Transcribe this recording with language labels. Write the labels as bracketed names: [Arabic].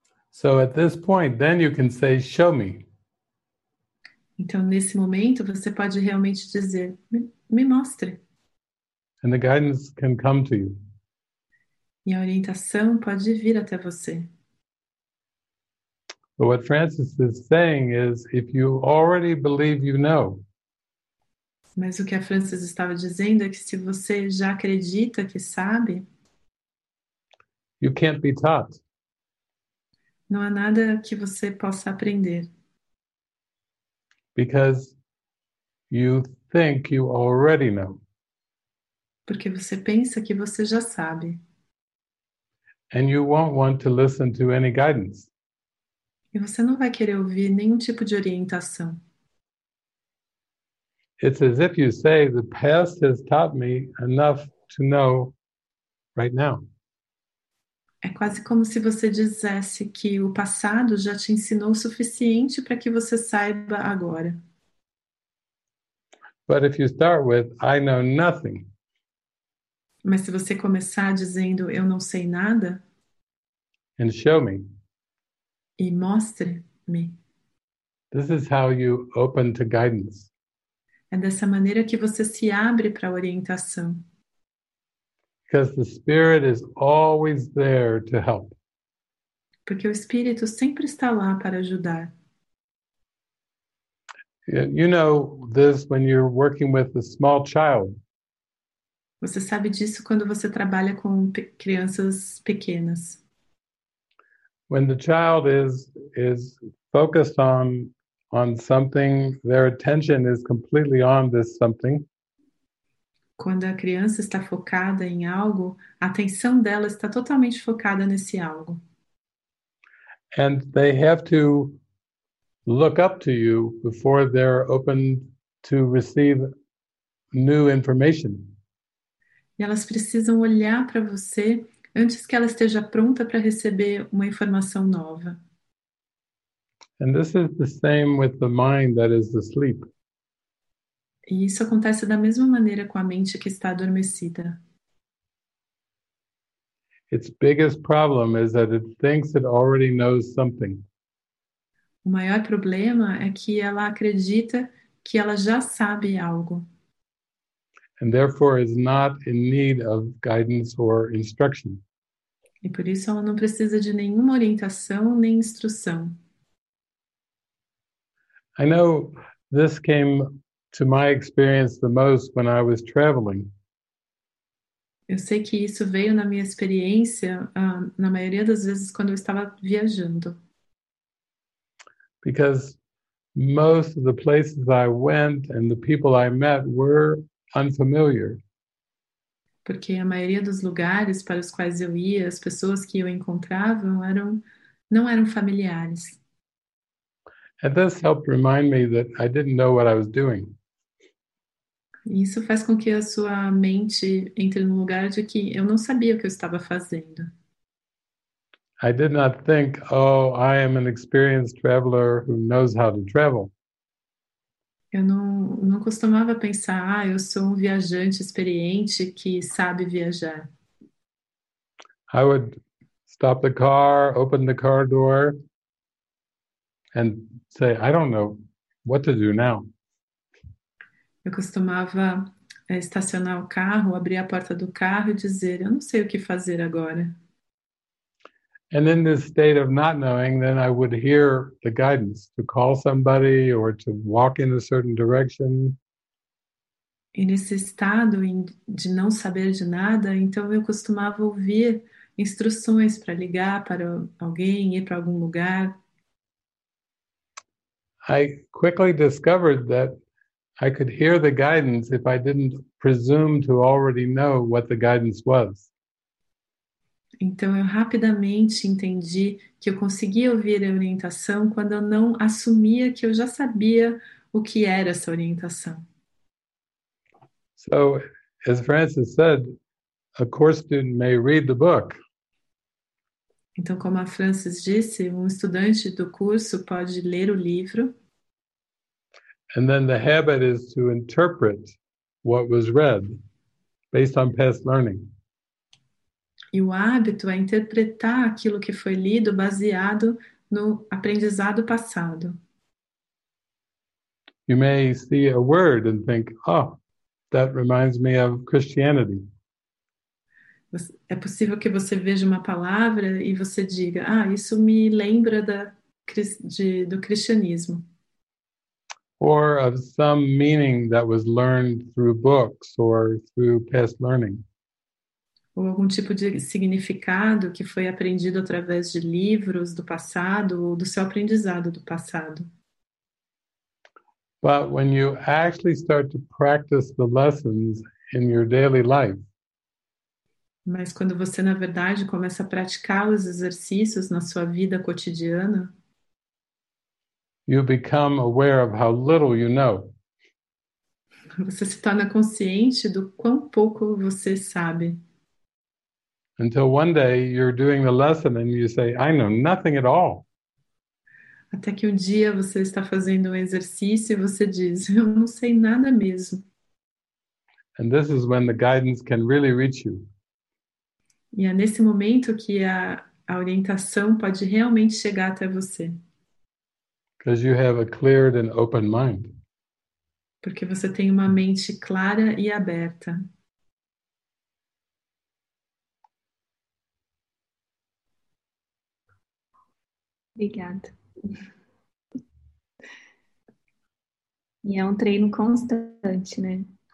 [English] So at this point, then you can say, show me. [Portuguese] Então nesse momento você pode realmente dizer, me mostre. [English] And the guidance can come to you. [Portuguese] E a orientação pode vir até você. [English] But what Francis is saying is, if you already believe you know. [Portuguese] Mas o que a Francis estava dizendo é que se você já acredita que sabe. [English] You can't be taught. [Portuguese] Não há nada que você possa aprender. [English] Because you think you already know. [Portuguese] Porque você pensa que você já sabe. [English] And you won't want to listen to any guidance. [Portuguese] E você não vai querer ouvir nenhum tipo de orientação. [English] It's as if you say the past has taught me enough to know right now. [Portuguese] É quase como se você dissesse que o passado já te ensinou o suficiente para que você saiba agora. [English] But if you start with, I know nothing. [Portuguese] Mas se você começar dizendo, eu não sei nada. [English] And show me. [Portuguese] E mostre-me. [English] This is how you open to guidance. [Portuguese] É dessa maneira que você se abre para a orientação. [English] Because the spirit is always there to help. [Portuguese] Porque o espírito sempre está lá para ajudar. [English] You know this when you're working with a small child. [Portuguese] Você sabe disso quando você trabalha com crianças pequenas. [English] When the child is focused on something, their attention is completely on this something. [Portuguese] Quando a criança está focada em algo, a atenção dela está totalmente focada nesse algo. [English] And they have to look up to you before they're open to receive new information. [Portuguese] E elas precisam olhar para você antes que ela esteja pronta para receber uma informação nova. [English] And this is the same with the mind that is asleep. [Portuguese] E isso acontece da mesma maneira com a mente que está adormecida. [English] Its biggest problem is that it thinks it already knows something. [Portuguese] O maior problema é que ela acredita que ela já sabe algo. [English] And therefore is not in need of guidance or instruction. [Portuguese] E por isso ela não precisa de nenhuma orientação nem instrução. [English] I know this came to my experience the most when I was traveling. [Portuguese] Eu sei que isso veio na minha experiência na maioria das vezes quando eu estava viajando. [English] Because most of the places I went and the people I met were unfamiliar. [Portuguese] Porque a maioria dos lugares para os quais eu ia, as pessoas que eu encontrava não eram familiares. [English] And this helped remind me that I didn't know what I was doing. [Portuguese] Isso faz com que a sua mente entre no lugar de que eu não sabia o que eu estava fazendo. [English] I did not think, oh, I am an experienced traveler who knows how to travel. [Portuguese] Eu não costumava pensar, ah, eu sou um viajante experiente que sabe viajar. [English] I would stop the car, open the car door, and say, I don't know what to do now. [Portuguese] Eu costumava estacionar o carro, abrir a porta do carro e dizer, eu não sei o que fazer agora. [English] And in this state of not knowing, then I would hear the guidance to call somebody or to walk in a certain direction. [Portuguese] E nesse estado de não saber de nada, então eu costumava ouvir instruções para ligar para alguém, ir para algum lugar. [English] I quickly discovered that I could hear the guidance if I didn't presume to already know what the guidance was. [Portuguese] Então eu rapidamente entendi que eu conseguia ouvir a orientação quando eu não assumia que eu já sabia o que era essa orientação. [English] So, as Francis said, a course student may read the book. [Portuguese] Então, como a Francis disse, um estudante do curso pode ler o livro. [English] And then the habit is to interpret what was read based on past learning. [Portuguese] E o hábito é interpretar aquilo que foi lido baseado no aprendizado passado. [English] You may see a word and think, oh, that reminds me of Christianity. [Portuguese] É possível que você veja uma palavra e você diga, ah, isso me lembra do cristianismo. [English] Or of some meaning that was learned through books or through past learning. [Portuguese] Ou algum tipo de significado que foi aprendido através de livros do passado ou do seu aprendizado do passado. [English] But when you actually start to practice the lessons in your daily life. [Portuguese] Mas quando você, na verdade, começa a praticar os exercícios na sua vida cotidiana, [English] you become aware of how little you know. [Portuguese] Você se torna consciente do quão pouco você sabe. [English] Until one day you're doing the lesson and you say, I know nothing at all. [Portuguese] Até que dia você está fazendo exercício e você diz, eu não sei nada mesmo. [English] And this is when the guidance can really reach you. [Portuguese] E é nesse momento que a orientação pode realmente chegar até você. [English] Because you have a cleared and open mind. [Portuguese] Porque você tem uma mente clara e aberta. Obrigada. E é treino constante, né?